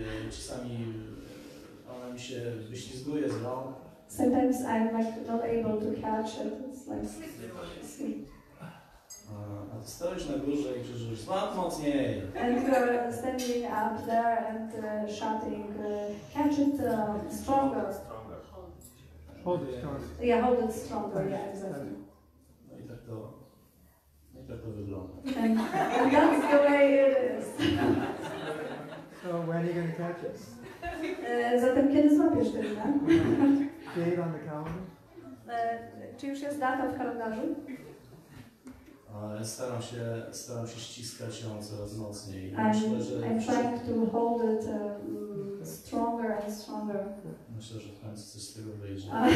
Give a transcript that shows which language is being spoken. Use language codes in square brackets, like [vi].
[pl] Czasami ona mi się wyślizguje z rąk. [en] Sometimes I'm like not able to catch it. It's like sleep. [pl] A ty stoisz na górze i krzyżujesz, smak mocniej. [en] And you're standing up there and shouting, catch it stronger. Hold it stronger. Yeah, hold it stronger, yeah, exactly. [pl] No i tak to, no i tak to wygląda. [en] And that's the way it is. So when are you going to catch us? [pl] Zatem kiedy złapiesz ten, no? [en] Date on the calendar? [pl] Czy już jest data w kalendarzu? Staram się ściskać ją coraz mocniej. [en] I'm trying to hold it stronger and stronger. [pl] Myślę, że w końcu coś z tego wyjdzie.